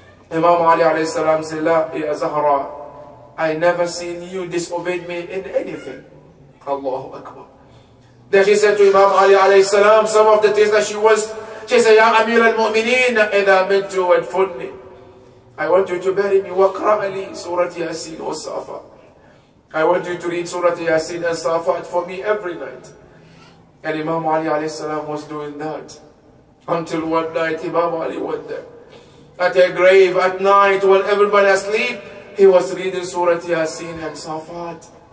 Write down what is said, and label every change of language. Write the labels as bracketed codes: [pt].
[en] Imam Ali alayhi salam said, La, Ya Zahra, I never seen you disobeyed me in anything. Allahu Akbar. Then she said to Imam Ali alayhi salam, some of the things that she was, she said, Ya Amir al-Mu'mineen, [ar] إذا منت ودفني, [en] I want you to bury me. [ar] وقرأ لي سورة ياسين والصفا. [en] I want you to read Surah Yasin and Safat for me every night. And Imam Ali alayhi salam was doing that. Until one night Imam Ali went there. At a grave, at night, when everybody asleep, he was reading Surah Yasin and Safat.